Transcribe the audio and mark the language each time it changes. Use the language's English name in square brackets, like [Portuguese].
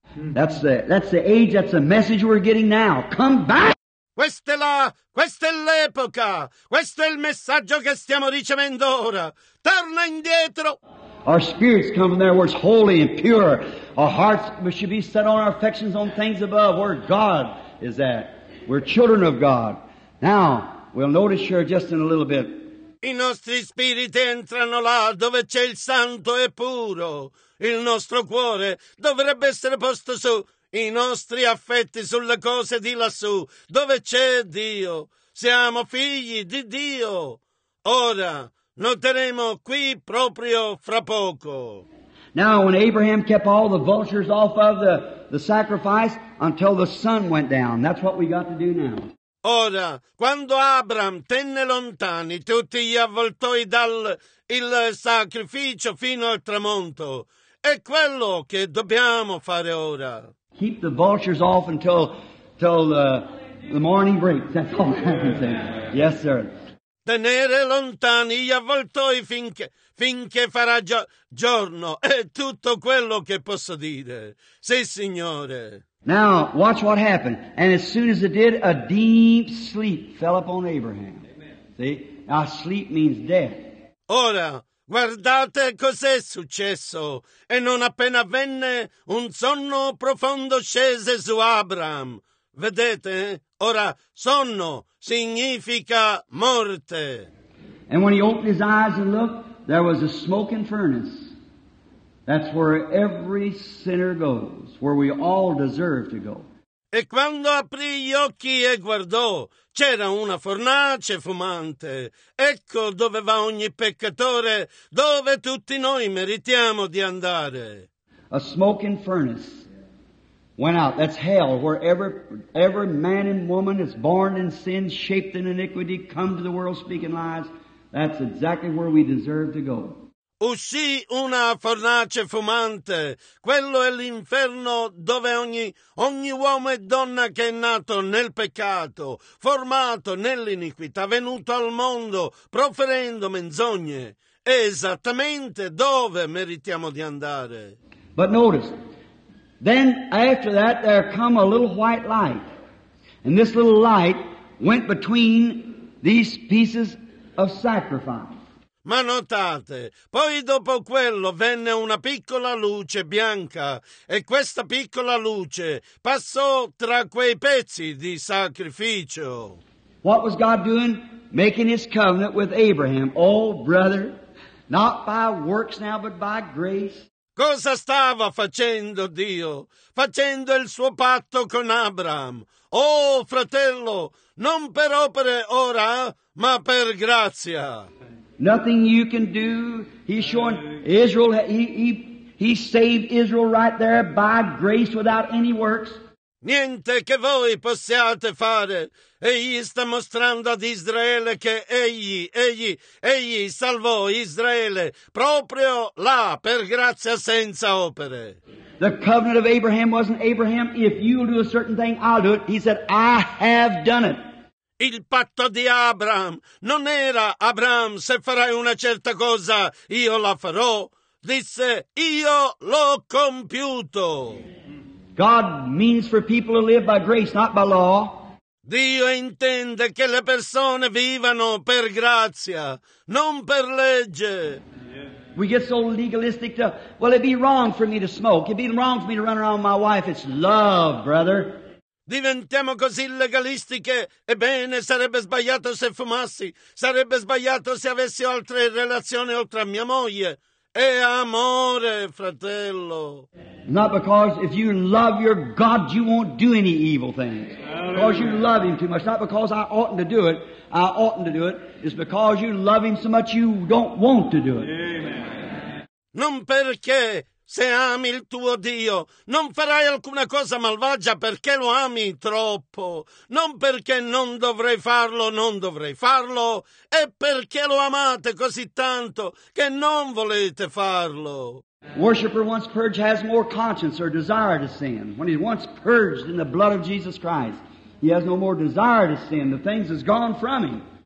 [English] That's the age, that's the message we're getting now. Come back! [Italian] Questa è l'epoca. Questo è il messaggio che stiamo ricevendo ora. Torna indietro! [English] Our spirits come from there where it's holy and pure. Our hearts should be set on our affections on things above where God is at. We're children of God. Now, we'll notice here just in a little bit. [Italian] I nostri spiriti entrano là dove c'è il santo e puro. Il nostro cuore dovrebbe essere posto su. I nostri affetti sulle cose di lassù. Dove c'è Dio? Siamo figli di Dio. Ora, noteremo qui proprio fra poco. [English] Now, when Abraham kept all the vultures off of the sacrifice until the sun went down, that's what we got to do now. [Italian] Ora, quando Abram tenne lontani tutti gli avvoltoi dal il sacrificio fino al tramonto, è quello che dobbiamo fare ora. [English] Keep the vultures off until the morning breaks. That's all I can say. Yes, sir. [Italian] Tenere lontani gli avvoltoi finché farà giorno è tutto quello che posso dire. Sì, Signore. [English] Now, watch what happened. And as soon as it did, a deep sleep fell upon Abraham. Amen. See? Now, sleep means death. [Italian] Ora, guardate cos'è successo. E non appena venne, un sonno profondo scese su Abraham. Vedete? Ora, sonno significa morte. [English] And when he opened his eyes and looked, there was a smoking furnace. That's where every sinner goes, where we all deserve to go. [Italian] E quando aprì gli occhi e guardò, c'era una fornace fumante. Ecco dove va ogni peccatore, dove tutti noi meritiamo di andare. [English] A smoking furnace went out. That's hell, where every man and woman is born in sin, shaped in iniquity, come to the world speaking lies. That's exactly where we deserve to go. [Italian] Uscì una fornace fumante. Quello è l'inferno dove ogni uomo e donna che è nato nel peccato, formato nell'iniquità, venuto al mondo proferendo menzogne, è esattamente dove meritiamo di andare. [English] But notice, then after that there come a little white light, and this little light went between these pieces of sacrifice. [Italian] Ma notate, poi dopo quello venne una piccola luce bianca e questa piccola luce passò tra quei pezzi di sacrificio. [English] What was God doing? Making his covenant with Abraham. Oh, brother, not by works now, but by grace. [Italian] Cosa stava facendo Dio? Facendo il suo patto con Abraham. Oh, fratello, non per opere ora, ma per grazia. [English] Nothing you can do. He's showing Israel, he saved Israel right there by grace without any works. [Italian] Niente che voi possiate fare. Egli sta mostrando ad Israele che egli salvò Israele proprio là per grazia senza opere. [English] The covenant of Abraham wasn't Abraham. If you'll do a certain thing, I'll do it. He said, I have done it. [Italian] Il patto di Abraham non era Abraham, se farai una certa cosa, io la farò. Disse, io l'ho compiuto. [English] God means for people to live by grace, not by law. [Italian] Dio intende che le persone vivano per grazia, non per legge. [English] We get so legalistic to, well, it'd be wrong for me to smoke. It'd be wrong for me to run around with my wife. It's love, brother. [Italian] Diventiamo così legalisti che, ebbene, sarebbe sbagliato se fumassi, sarebbe sbagliato se avessi altre relazioni oltre a mia moglie. È amore, fratello. [English] Not because if you love your God, you won't do any evil things. Because you love him too much. Not because I oughtn't to do it. It's because you love him so much you don't want to do it. Amen. [Italian] Non perché Se ami il tuo Dio, non farai alcuna cosa malvagia perché lo ami troppo. Non perché non dovrei farlo, non dovrei farlo. È perché lo amate così tanto che non volete farlo. [English] Worshipper once purged has more conscience or desire to sin. When he's once purged in the blood of Jesus Christ, he has no more desire to sin. The things has gone from him.